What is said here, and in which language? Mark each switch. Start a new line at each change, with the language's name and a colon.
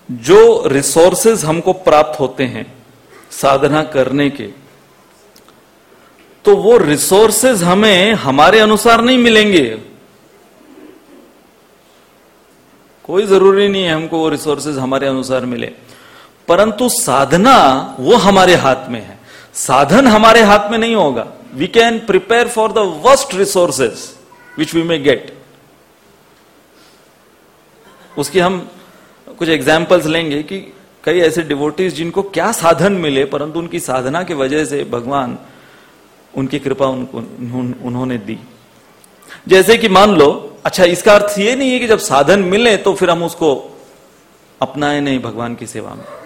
Hindi: जो रिसोर्सेज हमको प्राप्त होते हैं साधना करने के, तो वो रिसोर्सेज हमें हमारे अनुसार नहीं मिलेंगे। कोई जरूरी नहीं है हमको वो रिसोर्सेज हमारे अनुसार मिले, परंतु साधना वो हमारे हाथ में है, साधन हमारे हाथ में नहीं होगा।
English: We can prepare for the worst resources which we may get.
Hindi: उसकी हम कुछ examples लेंगे कि कई ऐसे devotees जिनको क्या साधन मिले परंतु उनकी साधना के वजह से भगवान उनकी कृपा उन्होंने दी। जैसे कि मान लो, अच्छा इसका अर्थ ये नहीं है कि जब साधन मिले तो फिर हम उसको अपनाए नहीं भगवान की सेवा में।